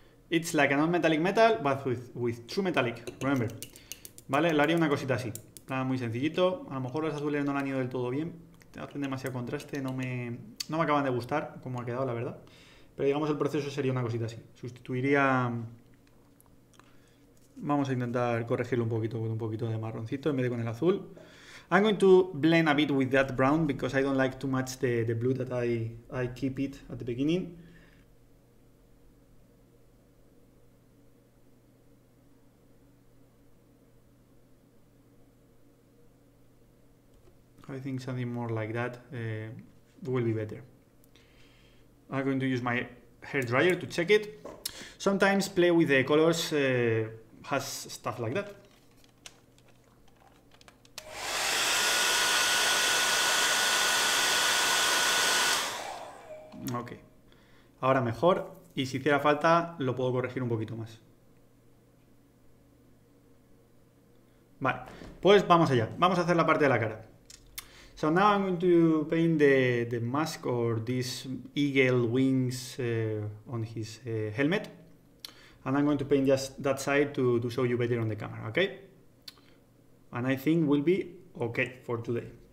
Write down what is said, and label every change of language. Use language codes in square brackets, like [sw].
[en] It's like a non-metallic metal, but with true metallic, remember. [es] Vale, le haría una cosita así. Nada, muy sencillito. A lo mejor los azules no le han ido del todo bien. Hacen demasiado contraste, no me acaban de gustar como ha quedado, la verdad. Pero digamos, el proceso sería una cosita así. Sustituiría. Vamos a intentar corregirlo un poquito con un poquito de marroncito en vez de con el azul. [en] I'm going to blend a bit with that brown because I don't like too much the blue that I keep it at the beginning. I think something more like that will be better. I'm going to use my hair dryer to check it. Sometimes play with the colors has stuff like that. [es] Ok, ahora mejor y si hiciera falta lo puedo corregir un poquito más. Vale, pues vamos allá, vamos a hacer la parte de la cara. [en] So now I'm going to paint the mask or this eagle wings on his helmet. And I'm going to paint just that side to show you better on the camera, ok? And I think will be ok for today.